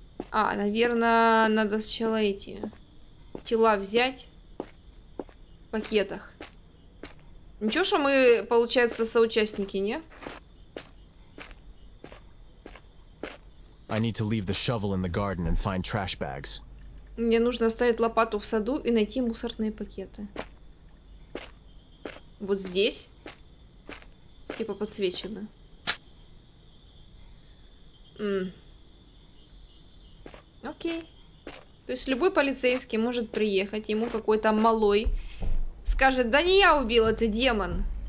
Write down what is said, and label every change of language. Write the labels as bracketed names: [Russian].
[Russian] А, наверное, надо сначала эти тела взять в пакетах. Ничего, что мы, получается, соучастники, не? [English] I need to leave the shovel in the garden and find trash bags. [Russian] Мне нужно оставить лопату в саду и найти мусорные пакеты. Вот здесь. Типа подсвечено. Окей. То есть любой полицейский может приехать, ему какой-то малой скажет, да не я убила, ты демон.